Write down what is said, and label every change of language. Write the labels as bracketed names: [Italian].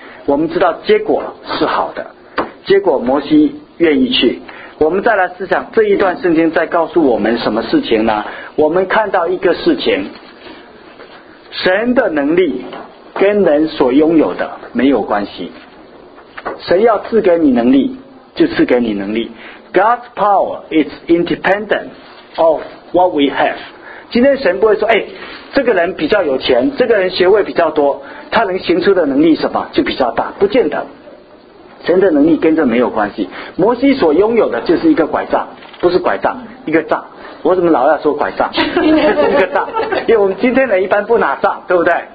[Chinese] 我们知道结果是好的，结果摩西愿意去。我们再来思想这一段圣经在告诉我们什么事情呢？我们看到一个事情，神的能力跟人所拥有的没有关系。神要赐给你能力就赐给你能力。 [English] God's power is independent of what we have。 [Chinese] 今天神不会说，哎，这个人比较有钱，这个人学位比较多，他能行出的能力什么就比较大，不见得。神的能力跟这没有关系。摩西所拥有的就是一个拐杖，不是拐杖，一个杖。我怎么老要说拐杖？就是一个杖，因为我们今天人一般不拿杖，对不对？